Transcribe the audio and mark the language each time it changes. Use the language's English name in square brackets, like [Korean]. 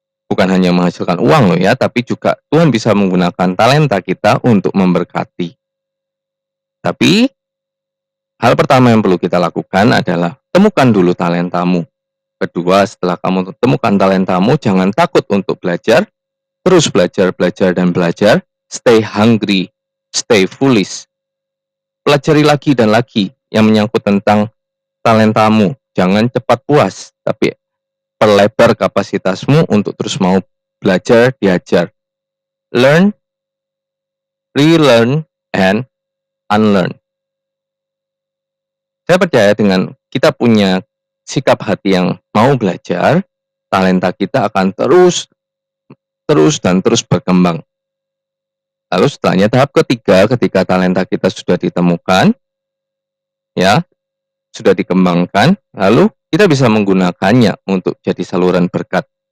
[Indonesian] Bukan hanya menghasilkan uang loh ya, tapi juga Tuhan bisa menggunakan talenta kita untuk memberkati. Tapi, hal pertama yang perlu kita lakukan adalah temukan dulu talentamu. Kedua, setelah kamu temukan talentamu, jangan takut untuk belajar. Terus belajar, belajar, dan belajar. [English] Stay hungry, stay foolish. [Indonesian] Pelajari lagi dan lagi yang menyangkut tentang talentamu. Jangan cepat puas, tapi perlebar kapasitasmu untuk terus mau belajar, diajar. [English] Learn, relearn, and unlearn. [Indonesian] Saya percaya dengan kita punya sikap hati yang mau belajar, talenta kita akan terus berkembang. Lalu setelahnya tahap ketiga, ketika talenta kita sudah ditemukan, ya, sudah dikembangkan, lalu kita bisa menggunakannya untuk jadi saluran berkat.